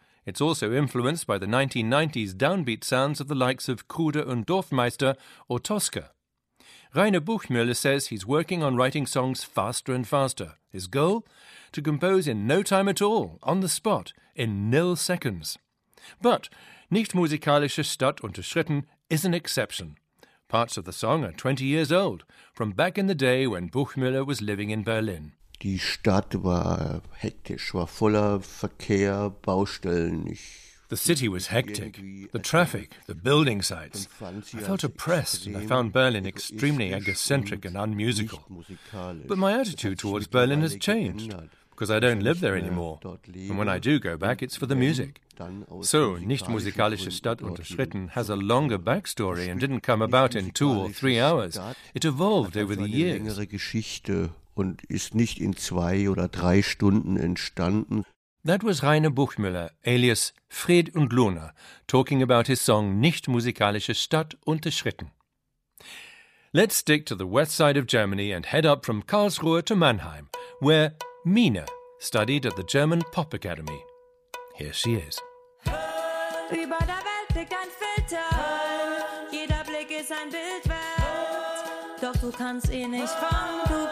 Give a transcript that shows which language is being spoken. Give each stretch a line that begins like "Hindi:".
English: It's also influenced by the 1990s downbeat sounds of the likes of Kruder und Dorfmeister or Tosca. Rainer Buchmüller says he's working on writing songs faster and faster. His goal? To compose in no time at all, on the spot, in nil seconds. But Nichtmusikalische Stadt unterschritten is an exception. Parts of the song are 20 years old, from back in the day when Buchmüller was living in Berlin.
German: Die Stadt war hektisch, war voller Verkehr, Baustellen.
English: The city was hectic. The traffic, the building sites. I felt oppressed and I found Berlin extremely egocentric and unmusical. But my attitude towards Berlin has changed, because I don't live there anymore. And when I do go back, it's for the music. So, Nichtmusikalische Stadt unterschritten has a longer backstory and didn't come about in 2 or 3 hours. It evolved over the years.
German: Und ist nicht in 2 oder 3 Stunden entstanden.
English: That was Rainer Buchmüller, alias Fred und Luna, talking about his song Nichtmusikalische Stadt unterschritten. Let's stick to the west side of Germany and head up from Karlsruhe to Mannheim, where Mina studied at the German Pop Academy. Here she is.
German: Über der Welt liegt ein Filter. Jeder Blick ist ein Bild wert. Doch du kannst ihn nicht fangen.